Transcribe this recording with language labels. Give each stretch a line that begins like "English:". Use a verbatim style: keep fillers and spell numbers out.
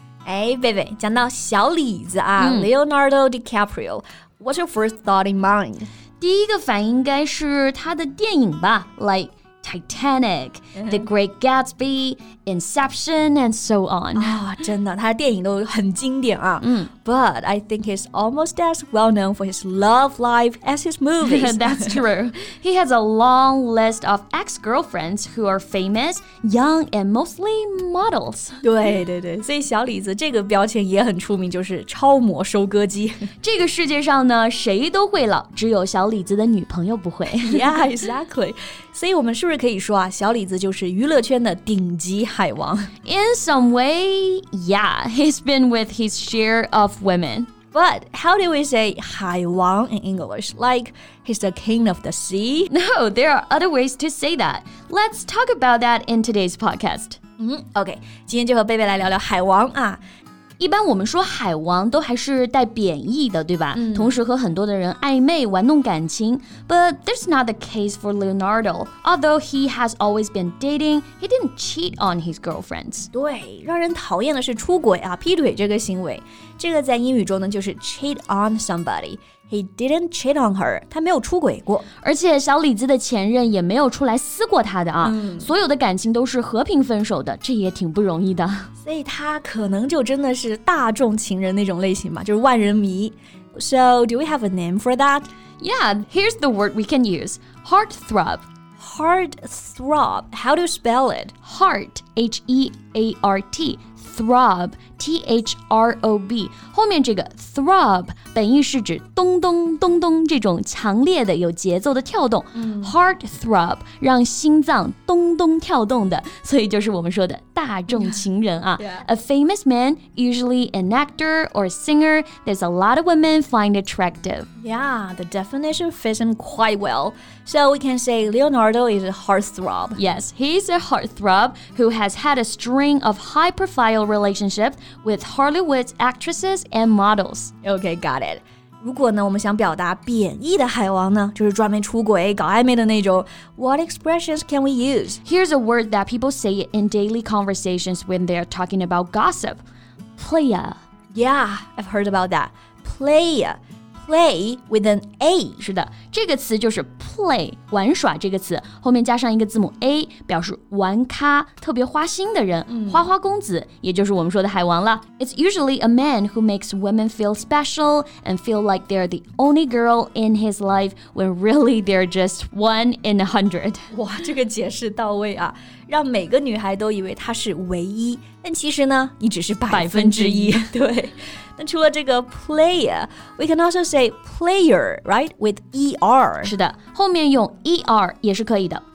Chinese: 哎，贝贝，讲到小李子啊、嗯、，Leonardo DiCaprio.
English: What's your first thought in mind?
Chinese: 第一个反应应该是他的电影吧 ，
English: like Titanic,、
Chinese: mm-hmm.
English: The Great Gatsby, Inception, and so on.
Chinese: 啊、oh, ，真的，他的电影都很经典啊。
English: 嗯、But I think he's almost as well known for his love life as his movies. That's true. He has a long list of ex-girlfriends who are famous, young, and mostly models.
Chinese: 对对对，所以小李子这个标签也很出名，就是超模收割机。这个世界上呢，谁都会老，只有小李子的女朋友不会。
English: Yeah, exactly.
Chinese: 所以我们是不是可以说啊，小李子就是娱乐圈的顶级海王。
English: In some way, yeah, he's been with his share of women. But how do we say 海王 in English? Like he's the king of the sea? No, there are other ways to say that. Let's talk about that in today's podcast.
Chinese: 嗯 OK, 今天就和贝贝来聊聊海王啊。一般我们说海王都还是带贬义的，对吧？嗯、同时和很多的人暧昧玩弄感情。
English: But that's not the case for Leonardo. Although he has always been dating, he didn't cheat on his girlfriends.
Chinese: 对，让人讨厌的是出轨啊、劈腿这个行为。这个在英语中呢，就是 cheat on somebody.
English: He didn't cheat on her.
Chinese: 他没有出轨过，而且小李子的前任也没有出来撕过他的啊、嗯。所有的感情都是和平分手的，这也挺不容易的。所以他可能就真的是大众情人那种类型吧，就是万人迷。
English: So do we have a name for that? Yeah, here's the word we can use: heartthrob. Heartthrob. How do you spell it? Heart, H E A R T. Throb, T H R O B
Chinese: 后面这个 throb 本意是指咚咚咚咚这种强烈的有节奏的跳动、嗯、Heart throb 让心脏咚咚跳动的，所以就是我们说的大众情人啊。
English: Yeah. A famous man, usually an actor or singer, there's a lot of women find attractive. Yeah, the definition fits him quite well. So we can say Leonardo is a heartthrob. Yes, he's a heartthrob who has had a string of high-profile relationship with Hollywood actresses and models. Okay, got it.
Chinese: 如果呢，我们想表达贬义的海王呢，就是专门出轨、搞暧昧的那种。
English: What expressions can we use? Here's a word that people say in daily conversations when they are talking about gossip. Playa. Yeah, I've heard about that. Playa. Play with an A.
Chinese: 是的，这个词就是 play 玩耍这个词，后面加上一个字母 A， 表示玩咖，特别花心的人，嗯、花花公子，也就是我们说的海王了。
English: It's usually a man who makes women feel special and feel like they're the only girl in his life when really they're just one in a hundred.
Chinese: 哇，这个解释到位啊，让每个女孩都以为她是唯一，但其实呢，你只是百分之一。对。那除了这个
English: player, we can also say player, right? With E R.
Chinese: 是的，后面用 E R 也是可以的。